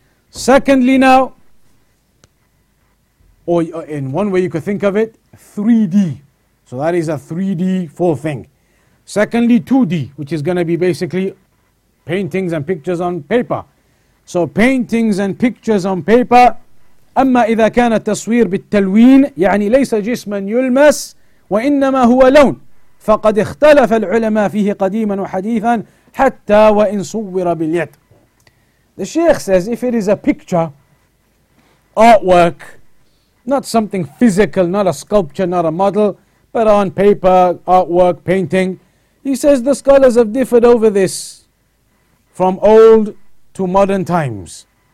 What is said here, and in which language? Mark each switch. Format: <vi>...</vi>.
<en>Secondly now, or in one way you could think of it, 3D. So that is a 3D full thing. Secondly, 2D, which is going to be basically paintings and pictures on paper. So paintings and pictures on paper.</en> <ar>أما إذا كان التصوير بالتلوين يعني ليس جسما يلمس وإنما هو لون فقد اختلف العلماء فيه قديما وحديثا حتى وإن صور باليد.</ar> <en>The Sheikh says if it is a picture, artwork, not something physical, not a sculpture, not a model, but on paper, artwork, painting, he says the scholars have differed over this from old to modern times.</en>